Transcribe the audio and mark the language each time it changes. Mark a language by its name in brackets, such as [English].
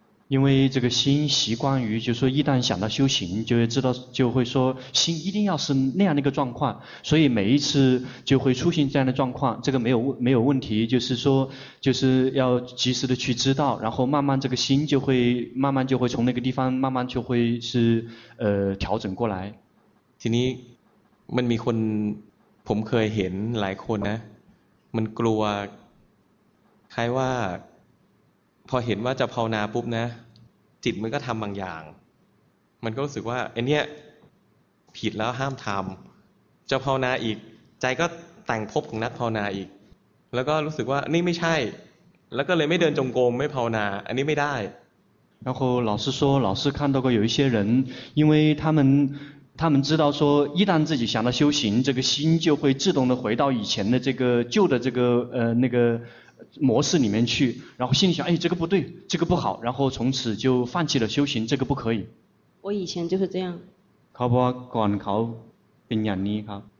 [Chinese] 因为这个心习惯于就是说一旦想到修行就会知道就会说心一定要是那样的一个状况所以每一次就会出现这样的状况这个没有问题就是说就是要及时的去知道然后慢慢这个心就会慢慢就会从那个地方慢慢就会是调整过来 [Thai] ทีนี้มันมีคนผมเคยเห็นหลายคนนะมันกลัวใครว่า พอเห็นว่าจะภาวนาปุ๊บนะจิตมันก็ทำบางอย่างมันก็รู้สึกว่าไอ้เนี้ยผิดแล้วห้ามทำจะภาวนาอีกใจก็แต่งภพของนักภาวนาอีกแล้วก็รู้สึกว่านี่ไม่ใช่แล้วก็เลยไม่เดินจงกรมไม่ภาวนาอันนี้ไม่ได้ [Chinese] 然后老师说老师看到过有一些人因为他们知道说一旦自己想到修行这个心就会自动的回到以前的这个旧的这个那个模式里面去然后心里想哎这个不对这个不好然后从此就放弃了修行这个不可以我以前就是这样 [Thai] เขาบอกก่อนเขาเป็นอย่างนี้ครับ